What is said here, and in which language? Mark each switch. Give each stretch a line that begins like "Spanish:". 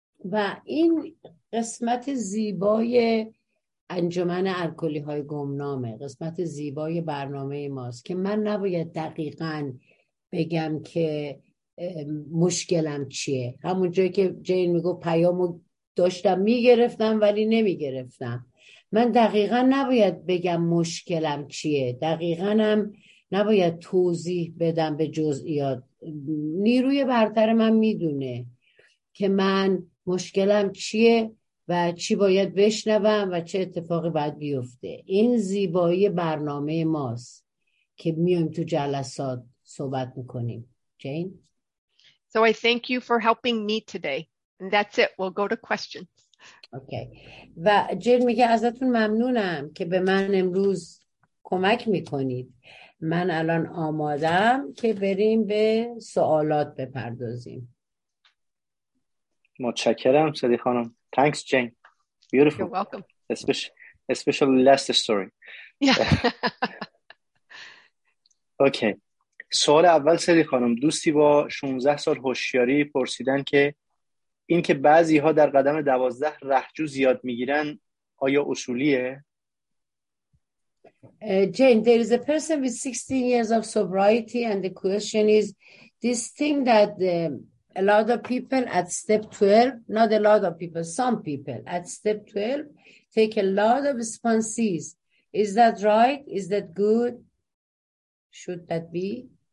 Persian: و این قسمت زیبای انجمن الکلی‌های گمنامه، قسمت زیبای برنامه ماست که من نباید دقیقاً بگم که مشکلم چیه. همون جایی که جین میگو پیامو داشتم میگرفتم ولی نمیگرفتم، من دقیقا نباید بگم مشکلم چیه، دقیقا هم نباید توضیح بدم به جزئیات. نیروی برتر من میدونه که من مشکلم چیه و چی باید بشنوم و چه اتفاقی باید بیفته. این زیبایی برنامه ماست که میایم تو جلسات صحبت میکنیم. جین؟
English: So I thank you for helping me today. And that's it. We'll go to questions. Okay.
Persian: و جین میگه ازتون ممنونم که به من امروز کمک میکنید. من الان آمادم که بریم به سوالات بپردازیم. متشکرم صدی خانم.
English: Thanks, Jane. Beautiful. You're welcome. Especially last story. Yeah. Okay.
Persian: سوال اول سری خانم، دوستی با 16 سال هوشیاری پرسیدن که این که بعضی ها در قدم 12 رهجو زیاد میگیرن آیا اصولیه؟
English: جین، there is a person with 16 years of sobriety and the question is this thing that a lot of people at step 12, not a lot of people, some people at step 12 take a lot of sponsees. Is that right? Is that good? Should that be?